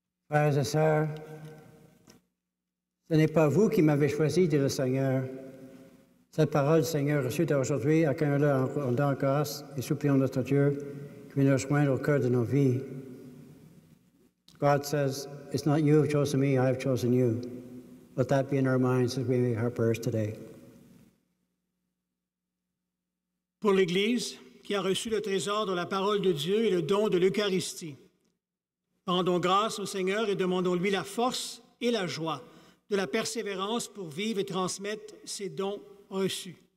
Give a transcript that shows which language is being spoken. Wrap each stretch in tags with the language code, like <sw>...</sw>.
<fr>Frères et sœurs, ce n'est pas vous qui m'avez choisi, dit le Seigneur. Cette parole du Seigneur reçue d'aujourd'hui, accueillons-la en rendant grâce et suppliant notre Dieu qui vient nous rejoindre au cœur de nos vies.</fr> <en>God says, it's not you who have chosen me, I have chosen you. Let that be in our minds as we make our prayers today.</en> <fr>Pour l'Église, qui a reçu le trésor de la parole de Dieu et le don de l'Eucharistie, rendons grâce au Seigneur et demandons-lui la force et la joie de la persévérance pour vivre et transmettre ses dons reçus.</fr>